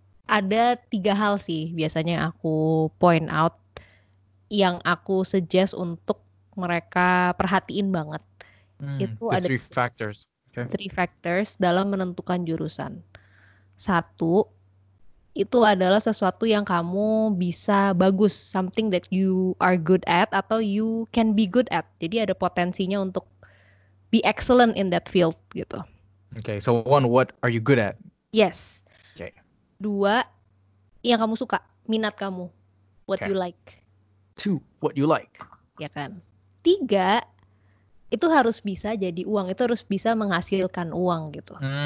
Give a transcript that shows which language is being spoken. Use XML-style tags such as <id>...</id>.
<id>ada tiga hal sih biasanya aku point out yang aku suggest untuk mereka perhatiin banget. Itu</id> <en>The</en> <id>ada</id> <en>three factors. Okay.</en> <id>three factors dalam menentukan jurusan. Satu, itu adalah sesuatu yang kamu bisa bagus,</id> <en>something that you are good at</en> <id>atau</id> <en>you can be good at.</en> <id>Jadi ada potensinya untuk</id> <en>be excellent in that field</en> <id>gitu.</id> <en>Okay, so one, what are you good at? Yes. Okay.</en> <id>Dua, yang kamu suka, minat kamu,</id> <en>what Okay. you like. Two, what you like.</en> <id>Ya kan? Tiga, itu harus bisa jadi uang, itu harus bisa menghasilkan uang gitu.</id>